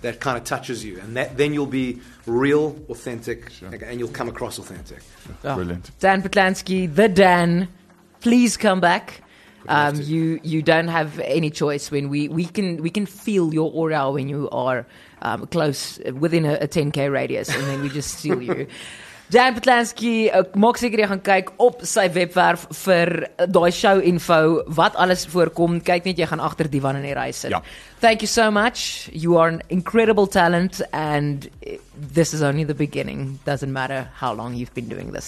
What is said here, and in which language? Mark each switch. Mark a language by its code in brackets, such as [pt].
[en] That kind of touches you. And then you'll be real, authentic, and you'll come across authentic. Yeah. Oh. Brilliant. Dan Petlansky, the Dan, please come back. You don't have any choice when we can feel your aura when you are close within a 10K radius and then we just steal you. [af] Dan Petlansky, maak seker jy gaan kyk op sy webwerf vir daai show info wat alles voorkom. Kyk net jy gaan agter Divan in die ry sit. [en] Yeah. Thank you so much. You are an incredible talent and this is only the beginning. Doesn't matter how long you've been doing this.